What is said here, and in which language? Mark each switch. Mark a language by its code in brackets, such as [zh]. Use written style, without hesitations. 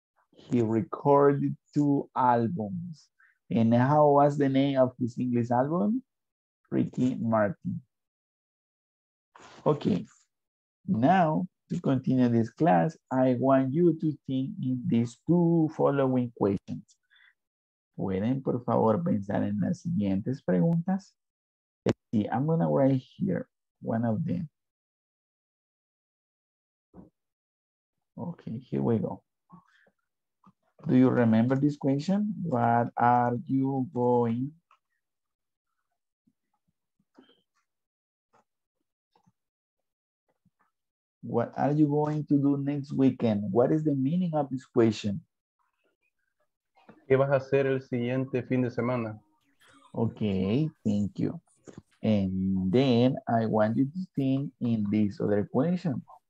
[en] He recorded 2 albums. And how was the name of his English album? Ricky Martin. Okay, now to continue this class, I want you to think in these 2 following questions. [es] ¿Pueden, por favor, pensar en las siguientes preguntas? [en] Let's see, I'm gonna write here one of them. Okay, here we go. Do you remember this question? What are you going? What are you going to do next weekend? What is the meaning of this question? [es] ¿Qué vas a hacer el siguiente fin de semana? [en] Okay, thank you. And then I want you to think in this other question.